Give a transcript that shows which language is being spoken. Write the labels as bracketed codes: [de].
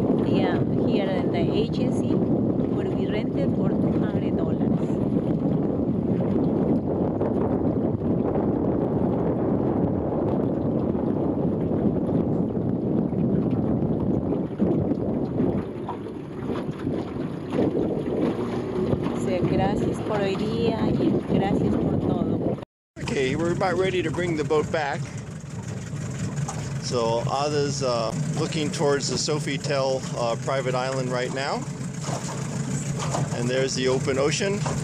[en] Here in the agency where we rented for $200. [es] So, gracias por hoy día y gracias por todo. [en] Okay, we're about ready to bring the boat back. So Ada's looking towards the Sofitel private island right now, and there's the open ocean.